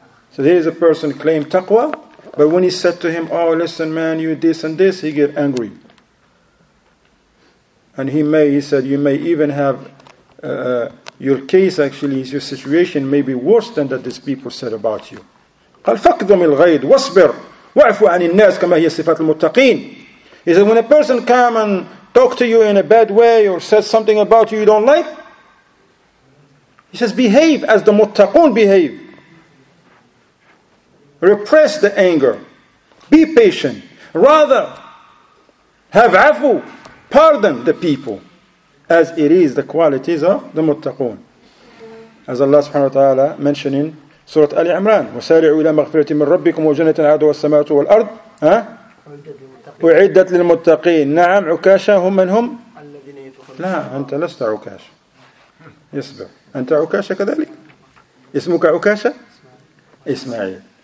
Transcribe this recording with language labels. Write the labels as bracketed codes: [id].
[en] So here's a person claim taqwa, but when he said to him, oh, listen, man, you this and this, he get angry. And he said, you may even have your case, actually, your situation may be worse than that these people said about you. [ar] قال فاكظم الغيظ واصبر واعفو عن الناس كما هي صفات المتقين. [en] He said, when a person come and talk to you in a bad way or says something about you you don't like, he says, behave as the muttaqun behave. Repress the anger. Be patient. Rather, have afu, pardon the people, as it is the qualities of the muttaqun. As Allah subhanahu wa ta'ala mentioned in Surah Ali Imran, [ar] وَسَارِعُوا إِلَى مَغْفِرَةٍ مِنْ رَبِّكُمْ وَجَنَّةٍ عَرْضُهَا السَّمَاوَاتُ وَالْأَرْضُ أُعِدَّتْ لِلْمُتَّقِينَ. نعم عكاشة هم من هم؟ لا أنت لست عكاشة. يصبر. أنت عكاشة كذلك؟ اسمك عكاشة؟ إسماعيل.